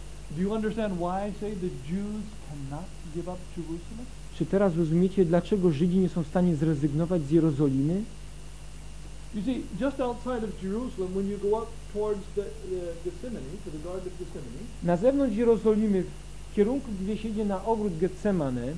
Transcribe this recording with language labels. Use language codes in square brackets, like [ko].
[en] Do you understand why I say the Jews cannot give up Jerusalem? [pl] Czy teraz rozumiecie, dlaczego Żydzi nie są w stanie zrezygnować z Jerozolimy? [en] You see, just outside of Jerusalem, when you go up towards the Gethsemane, to the Garden of Gethsemane. [pl] Na zewnątrz Jerozolimy, w kierunku, gdzie się idzie na ogród Getsemane.